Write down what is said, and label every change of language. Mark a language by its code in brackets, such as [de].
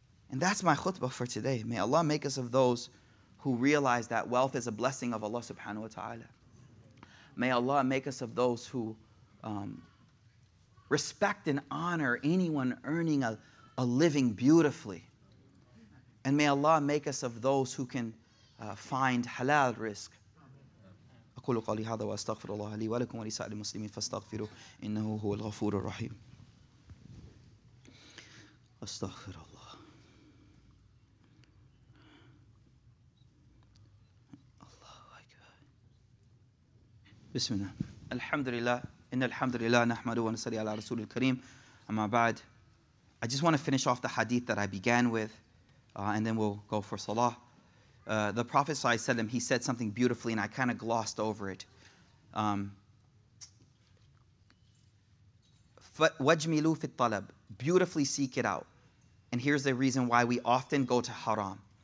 [en] And that's my khutbah for today. May Allah make us of those who realize that wealth is a blessing of Allah subhanahu wa ta'ala. May Allah make us of those who respect and honor anyone earning a living beautifully. And may Allah make us of those who can find halal risk. [ar] أقول قولي هذا وأستغفر الله لي ولكم ولسائر المسلمين فاستغفروا إنه هو الغفور الرحيم. أستغفر الله. الله أكبر. بسم الله. الحمد لله. إن الحمد لله نحمده ونصلي على رسول الكريم. أما بعد. [en] I just want to finish off the hadith that I began with, and then we'll go for salah. The Prophet ﷺ, he said something beautifully, and I kind of glossed over it. [ar] وَجْمِلُوا فِي الطَّلَبِ, [en] beautifully seek it out. And here's the reason why we often go to haram.